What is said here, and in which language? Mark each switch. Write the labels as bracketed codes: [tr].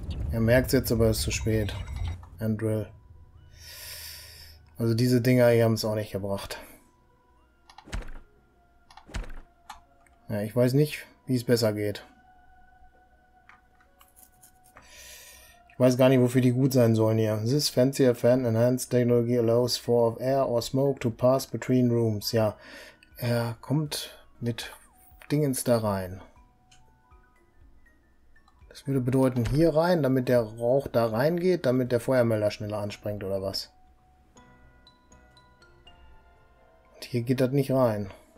[de] Er merkt es jetzt, aber es ist zu spät. Andrill. Also diese Dinger hier haben es auch nicht gebracht. Ja, ich weiß nicht, wie es besser geht. Ich weiß gar nicht, wofür die gut sein sollen hier. [en] This fancier fan enhanced technology allows for air or smoke to pass between rooms. [de] Ja, er kommt mit Dingens da rein. Das würde bedeuten, hier rein, damit der Rauch da reingeht, damit der Feuermelder schneller anspringt oder was. Und hier geht das nicht rein.